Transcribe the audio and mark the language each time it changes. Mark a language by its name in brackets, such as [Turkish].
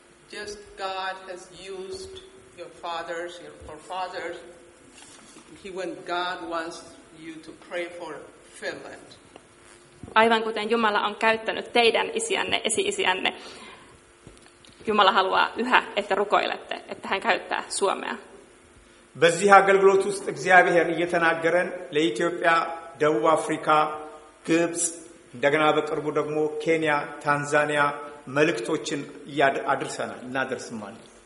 [English] Just God has used your fathers your forefathers he when God wants you to pray for Finland. [Finnish] Aivan kuten Jumala on käyttänyt teidän isiänne esi-isiänne Jumala haluaa yhä että rukoilette että hän käyttää Suomea. [Amharic] በዚህ አገልግሎት ውስጥ እግዚአብሔር እየተናገረን ለኢትዮጵያ፣ ደቡብ አፍሪካ፣ ግብጽ እንደገና በቅርቡ ደግሞ ኬንያ፣ ታንዛኒያ መልእክቶችን አድርሰናል እናደርስማለን።